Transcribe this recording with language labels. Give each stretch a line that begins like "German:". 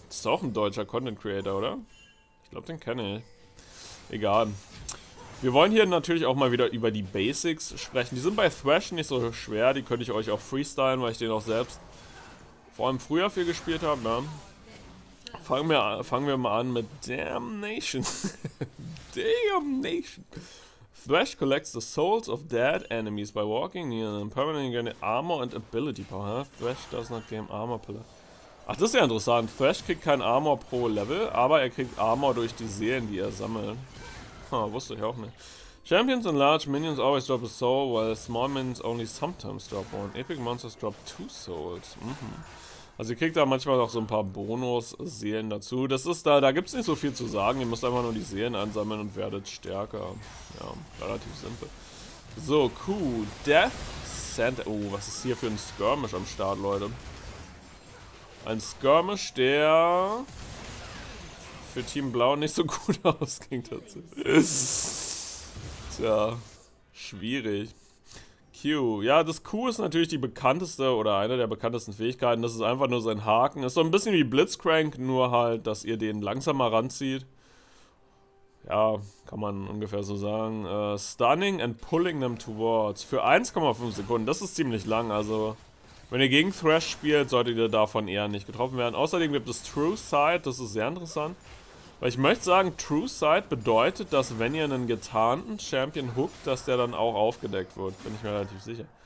German: Das ist auch ein deutscher Content-Creator, oder? Ich glaube, den kenne ich. Egal. Wir wollen hier natürlich auch mal wieder über die Basics sprechen. Die sind bei Thrash nicht so schwer. Die könnte ich euch auch freestylen, weil ich den auch selbst vor allem früher viel gespielt habe. Ne? Fangen wir mal an mit Damnation. Damnation.
English: Thrash collects the souls of dead enemies by walking near them. Permanently gain armor and ability power. Thrash does not gain armor pillar.
German: Ach, das ist ja interessant. Thrash kriegt kein Armor pro Level, aber er kriegt Armor durch die Seelen, die er sammelt. Ha, wusste ich auch nicht.
English: Champions and large minions always drop a soul, while small minions only sometimes drop one. Epic monsters drop two souls. Mhm.
German: Also ihr kriegt da manchmal noch so ein paar Bonus-Seelen dazu. Das ist da gibt es nicht so viel zu sagen. Ihr müsst einfach nur die Seelen einsammeln und werdet stärker. Ja, relativ simpel. So, cool. Death Center. Oh, was ist hier für ein Skirmish am Start, Leute? Ein Skirmish, der für Team Blau nicht so gut ausging tatsächlich. Tja, schwierig. Q. Ja, das Q ist natürlich die bekannteste oder eine der bekanntesten Fähigkeiten. Das ist einfach nur sein Haken. Ist so ein bisschen wie Blitzcrank, nur halt, dass ihr den langsamer ranzieht. Ja, kann man ungefähr so sagen.
English: Stunning and pulling them towards.
German: Für 1,5 Sekunden. Das ist ziemlich lang. Also, wenn ihr gegen Thrash spielt, solltet ihr davon eher nicht getroffen werden. Außerdem gibt es True Sight. Das ist sehr interessant. Weil ich möchte sagen, True Sight bedeutet, dass wenn ihr einen getarnten Champion hookt, dass der dann auch aufgedeckt wird. Bin ich mir relativ sicher.